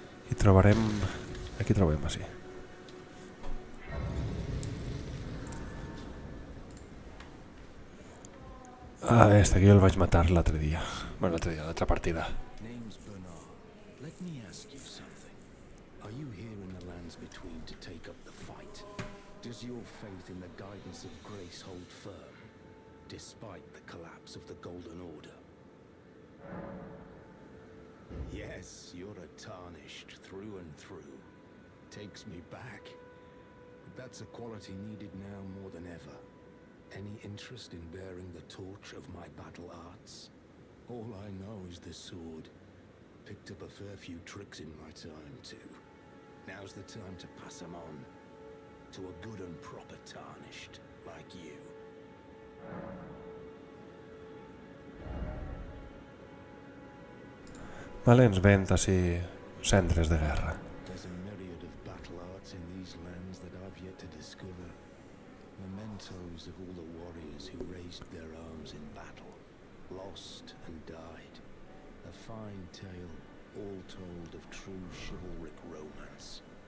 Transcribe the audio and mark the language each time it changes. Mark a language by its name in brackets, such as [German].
[Catalan] I trobarem... Aquí trobem així. Ah, este aquí el vaig matar l'altre dia. Bueno, l'altre dia, l'altra partida. [English] Name's Bernard. Let me ask you something. Are you here in the lands between to take up the fight? Does your faith in the guidance of grace hold firm, despite the collapse of the Golden Order? Yes, you're a tarnished through and through. Takes me back. But that's a quality needed now more than ever. Any interest in bearing the torch of my battle arts? All I know is the sword. Picked up a fair few tricks in my time, too. Now's the time to pass them on. To a good and proper tarnished, like you. [Catalan] Vale, ens ven així centres de guerra. [English] There's a myriad of battle arts in these lands that I've yet to discover. Mementos of all the warriors who raised their arms in battle, lost and died. A fine tale, all told of true chivalric romance.